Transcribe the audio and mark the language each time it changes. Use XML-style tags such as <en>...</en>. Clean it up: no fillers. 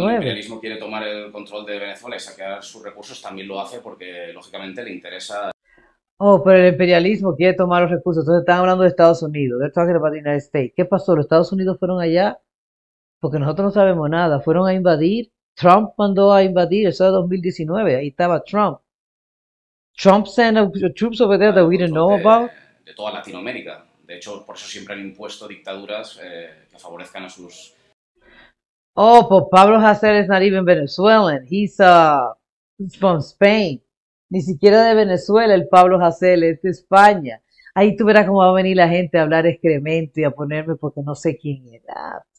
<es>Cuando el imperialismo quiere tomar el control de Venezuela y saquear sus recursos, también lo hace porque lógicamente le interesa. Oh, pero el imperialismo quiere tomar los recursos. Entonces están hablando de Estados Unidos.</es> <en>They're talking about the United States.</en> <es>¿Qué pasó? ¿Los Estados Unidos fueron allá? porque nosotros no sabemos nada. Fueron a invadir, Trump mandó a invadir, eso era 2019, ahí estaba Trump.</es> <en>Trump sent troops over there that we didn't know about.</en> <es>De toda Latinoamérica. De hecho, por eso siempre han impuesto dictaduras que favorezcan a sus...</es> <en>Oh, pues Pablo Hasél is not even Venezuelan. He's from Spain.</en> <es>Ni siquiera de Venezuela el Pablo Hasél, es de España. Ahí tú verás cómo va a venir la gente a hablar excremento y a ponerme porque no sé quién era.</es>